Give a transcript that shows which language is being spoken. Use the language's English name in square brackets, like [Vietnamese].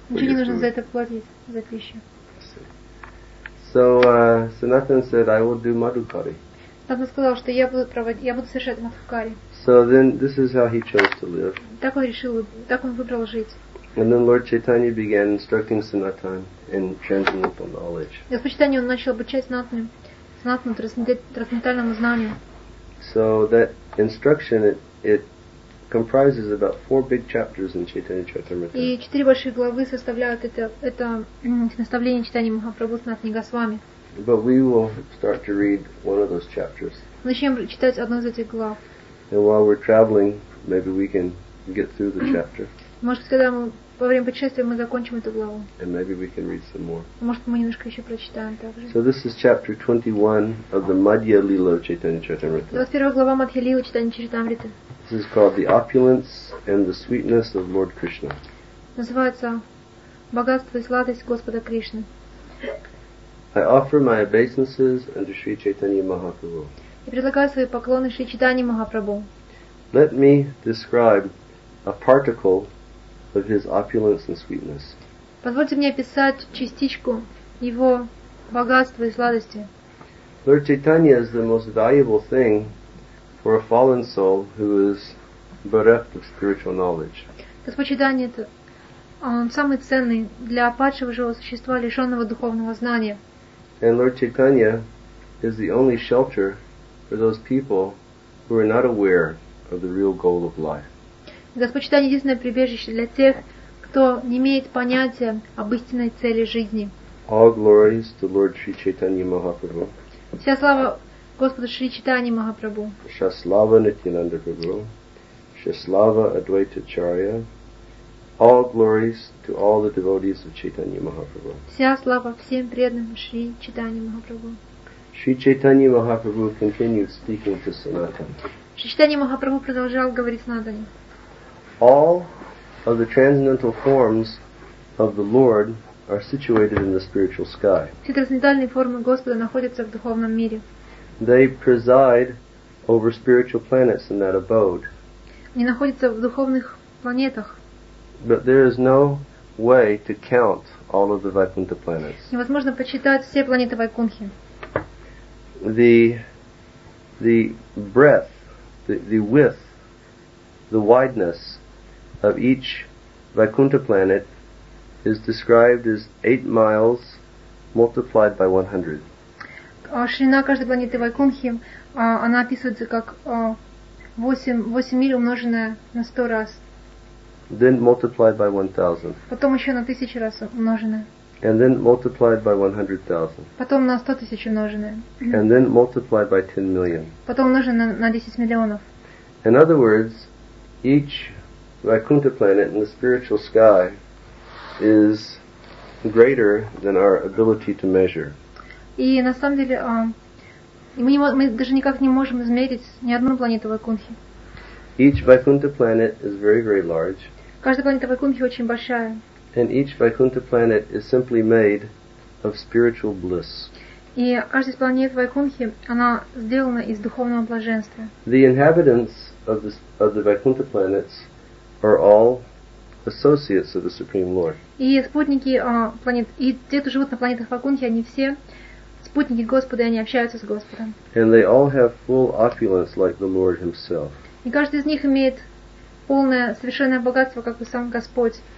[Russian] Ничего не нужно за это платить, за пищу. [English] So Sanatan said, I will do madhukari. [Russian] Sanatan сказал, что я буду совершать мадхукари. [English] So then this is how he chose to live. [Russian] Так он решил, так он выбрал жить. [English] And then Lord Chaitanya began instructing Sanatan in transcendental knowledge. [Russian] Господь Чайтанья он начал обучать Санатану трансцендентальному знанию. [English] So that instruction it comprises about four big chapters in Chaitanya Charitamrita. [Russian] И четыре большие главы составляют это наставление Чайтаньи Махапрабху Санатана Госвами. [English] But we will start to read one of those chapters. [Russian] Начнем читать одну из этих глав. [English] And while we're traveling, maybe we can get through the chapter. [Russian] Может, когда мы во время путешествия мы закончим эту главу. [English] And maybe we can read some more. [Russian] Может, мы немножко еще прочитаем также. [English] So this is chapter 21 of the Madhya Lila of Chaitanya Charitamrita. [Russian] 21 глава Мадхья Лила Чайтаньи Чаритамриты. [English] This is called the opulence and the sweetness of Lord Krishna. [Russian] Называется богатство и сладость Господа Кришны. [English] I offer my obeisances unto Sri Chaitanya Mahaprabhu. [Russian] И предлагаю свои поклоны Шри Чайтанье Махапрабху. [English] Let me describe a particle of his opulence and sweetness. [Russian] Позвольте мне описать частичку его богатства и сладости. [English] Lord Chaitanya is the most valuable thing for a fallen soul who is bereft of spiritual knowledge. [Russian] Господь Чайтанья это он самый ценный для падшего живого существа, лишенного духовного знания. [English] And Lord Chaitanya is the only shelter for those people who are not aware of the real goal of life. [Russian] Господь Чайтанья единственное прибежище для тех, кто не имеет понятия об истинной цели жизни. [English] All glories to Lord Sri Chaitanya Mahaprabhu. [Russian] Вся слава Господу Шри Чайтанье Махапрабху. Вся слава Нитьянанда Прабху. Вся слава Адвайта Ачарья. [English] All glories to all the devotees of Chaitanya Mahaprabhu. [Russian] Вся слава всем преданным Шри Чайтанье Махапрабху. [English] Sri Chaitanya Mahaprabhu continued speaking to Sanatan. [Russian] Шри Чайтанья Махапрабху продолжал говорить Санатане. [English] All of the transcendental forms of the Lord are situated in the spiritual sky. [Russian] Все трансцендентальные формы Господа находятся в духовном мире. [English] They preside over spiritual planets in that abode. [Russian] Они находятся в духовных планетах. [English] But there is no way to count all of the Vaikuntha planets. [Russian] Невозможно подсчитать все планеты Вайкунхи. [English] The breadth, the width, the wideness of each Vaikuntha planet is described as 8 miles multiplied by 100. [Russian] Ширина каждой планеты Вайкунхи, она описывается как 8 миль умноженное на 100 раз. [English] Then multiplied by 1,000. [Russian] Потом еще на 1000 раз умноженное. [English] And then multiplied by 100,000. [Russian] Потом на 100,000 умноженное. [English] And then multiplied by 10 million. [Russian] Потом умноженное на 10 миллионов. [English] In other words, each Vaikuntha planet in the spiritual sky is greater than our ability to measure. [Russian] И на самом деле мы даже никак не можем измерить ни одну планету Вайкунхи. [English] Each Vaikuntha planet is very, very large. [Russian] Каждая планета Вайкунхи очень большая. [English] And each Vaikuntha planet is simply made of spiritual bliss. [Russian] И каждая из планет Вайкунхи, она сделана из духовного блаженства. [English] The inhabitants of the Vaikuntha planets are all associates of the Supreme Lord. [Russian] И спутники планет, и те, кто живут на планетах Вайкунхи, они все спутники Господа, и они общаются с Господом. [English] And they all have full opulence like the Lord himself. [Russian] И каждый из них имеет полное, совершенное богатство, как и сам Господь.